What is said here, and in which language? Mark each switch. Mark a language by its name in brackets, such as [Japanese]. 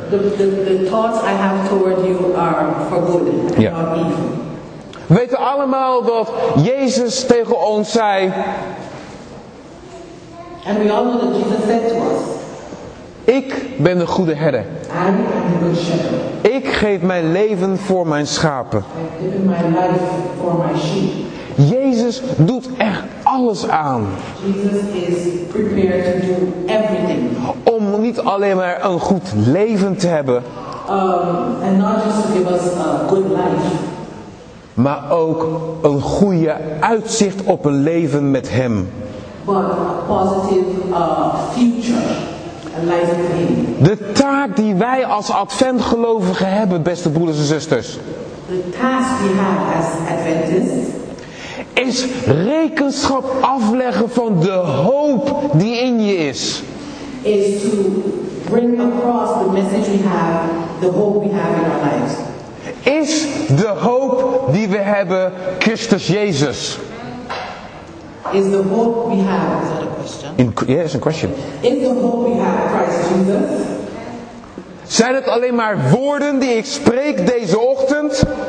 [English] The thoughts I have toward you are for good and yeah. Not evil. [Dutch] We weten allemaal dat Jezus tegen ons zei. [English] And we all know that Jesus said to us. [Dutch] Ik ben de goede herder. [English] I am the good shepherd. [Dutch] Ik geef mijn leven voor mijn schapen. [English] I give my life for my sheep. [Dutch] Jezus doet er alles aan. [English] Jesus is prepared to do everything. [Dutch] Om niet alleen maar een goed leven te hebben. [English] And not just to give us a good life. [Dutch] Maar ook een goede uitzicht op een leven met Hem. [English] But a positive, future, a life with Him. [Dutch] De taak die wij als Adventgelovigen hebben, beste broeders en zusters. [English] The task we have as Adventists. [Dutch] is rekenschap afleggen van de hoop die in je is. [English] Is to bring across the message we have, the hope we have in our lives. [Dutch] Is de hoop die we hebben Christus Jezus? [English] Is the hope we have, is that a question? It's a question. Is the hope we have Christ Jesus? [Dutch] Zijn het alleen maar woorden die ik spreek deze ochtend?